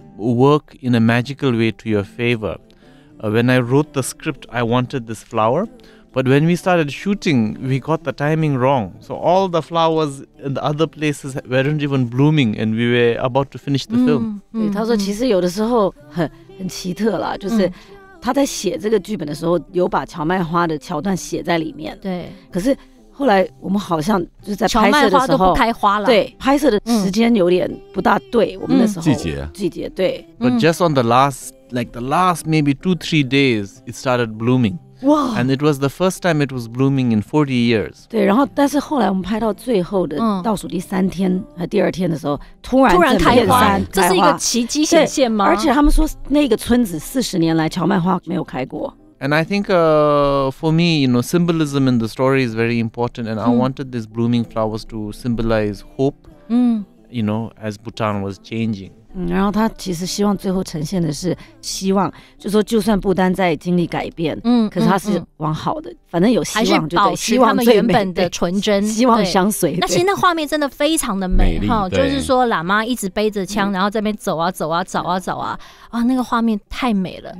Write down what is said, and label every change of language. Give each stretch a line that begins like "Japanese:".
English: Work in a magical way to your favor. When I wrote the script, I wanted this flower, but when we started shooting, we got the timing wrong. So all the flowers in the other places weren't even blooming, and we were about to finish the film.
Chinese: 对，他说其实有的时候很奇特啦，就是他在写这个剧本的时候有把荞麦花的桥段写在里面。对，可是后来我们好像就是在拍摄的时候，荞麦花都不开花了。对，拍摄的时间有点不大对，我们那时候季节对。
English: But just on the last, like the last maybe 2-3 days, it started blooming. Wow! And it was the first time it was blooming in 40 years.
Chinese: 对，然后但是后来我们拍到最后的倒数第三天和第二天的时候，突然开花，这是一个奇迹显现吗？而且他们说那个村子40年来荞麦花没有开过。
English: And I think for me, you know, symbolism in the story is very important. And I wanted these blooming flowers to symbolize hope, you know, as Bhutan was changing.
Chinese: 然后他其实希望最后呈现的是希望，就说就算不丹在经历改变，可是他是往好的，反正有希望就对，还是保持他们原本的纯真，希望相随。那其实那画面真的非常的美哈，就是说喇嘛一直背着枪，然后在那边走啊走啊找啊找啊啊，那个画面太美了。